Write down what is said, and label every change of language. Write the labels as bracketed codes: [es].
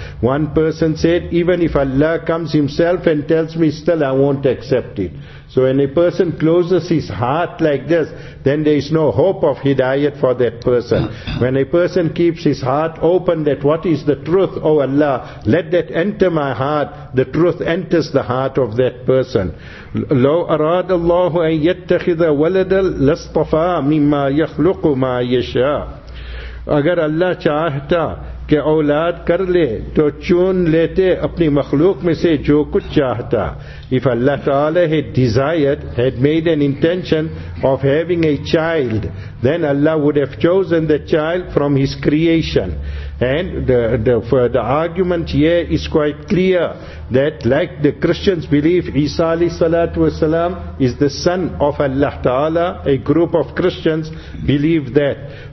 [en] One person said, even if Allah comes himself and tells me, still I won't accept it. So when a person closes his heart like this, then there is no hope of hidayat for that person. When a person keeps his heart open, that what is the truth, O Allah, let that enter my heart, the truth enters the heart of that person. [ar] لو أراد الله أن يتخذ ولدا لاصطفى مما يخلق ما يشاء. [ur] اگر اللہ چاہتا کہ اولاد کر لے تو چون لیتے اپنی مخلوق میں سے جو کچھ چاہتا. [en] If Allah Ta'ala had desired, had made an intention of having a child, then Allah would have chosen the child from His creation. And the argument here is quite clear, that like the Christians believe, Isa alayhi salatu wasalam is the son of Allah Ta'ala, a group of Christians believe that.